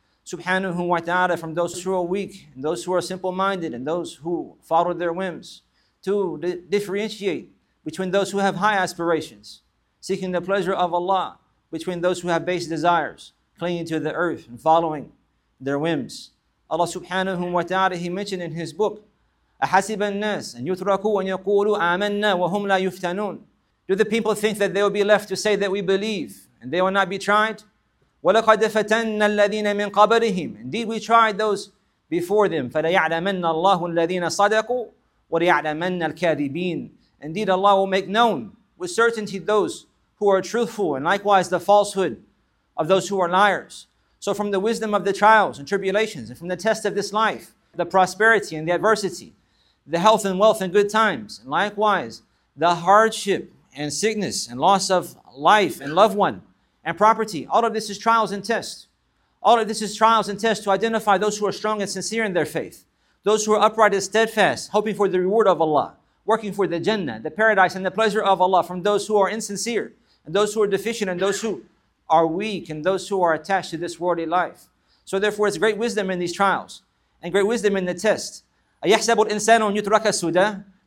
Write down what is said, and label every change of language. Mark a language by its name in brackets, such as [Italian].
[English] subhanahu wa ta'ala, from those who are weak, and those who are simple-minded, and those who follow their whims, to differentiate between those who have high aspirations, seeking the pleasure of Allah, between those who have base desires, clinging to the earth and following their whims. Allah subhanahu wa ta'ala, He mentioned in His book, [Arabic] أَحَسِبَ النَّاسِ أَنْ يُتْرَكُوا أَنْ يَقُولُوا آمَنَّا وَهُمْ لَا يُفْتَنُونَ. [English] Do the people think that they will be left to say that we believe and they will not be tried? [Arabic] وَلَقَدْ فَتَنَّا الَّذِينَ مِنْ قَبْلِهِمْ. [English] Indeed, we tried those before them. [Arabic] فَلَيَعْلَمَنَّ اللَّهُ الَّذِينَ صَدَقُوا وَلَيَعْلَمَنَّ الْكَاذِبِينَ. [English] Indeed, Allah will make known with certainty those who are truthful, and likewise the falsehood of those who are liars. So from the wisdom of the trials and tribulations, and from the test of this life, the prosperity and the adversity, the health and wealth and good times, and likewise the hardship and sickness and loss of life and loved one and property, all of this is trials and tests. All of this is trials and tests to identify those who are strong and sincere in their faith, those who are upright and steadfast, hoping for the reward of Allah, working for the Jannah, the paradise and the pleasure of Allah, from those who are insincere and those who are deficient and those who are weak and those who are attached to this worldly life. So therefore, it's great wisdom in these trials and great wisdom in the test. [Arabic] أَيَحْسَبُ الْإِنسَانُ أَنْ يُتْرَكَ سُدًى.